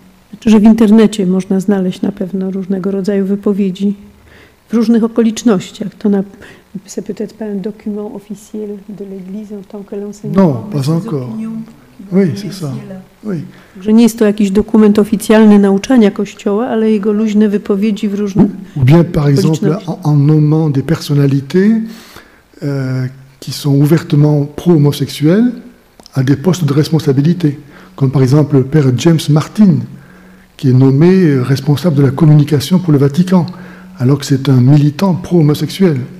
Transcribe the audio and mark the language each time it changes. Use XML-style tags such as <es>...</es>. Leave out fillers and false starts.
<pl>Znaczy, że w internecie można znaleźć na pewno różnego rodzaju wypowiedzi w różnych okolicznościach.</pl> <fr>To na c'est peut-être pas un document officiel de l'Église en tant que l'enseignement. Non, pas encore. Oui, c'est ça. Oui.</fr> <pl>Że nie jest to jakiś dokument oficjalny nauczania Kościoła, ale jego luźne wypowiedzi w różnych</pl> <fr>ou bien par exemple en nommant des personnalités qui sont ouvertement pro-homosexuelles à des postes de responsabilité, comme par exemple le père James Martin, qui est nommé responsable de la communication pour le Vatican, alors que c'est un militant pro-homosexuel.</fr>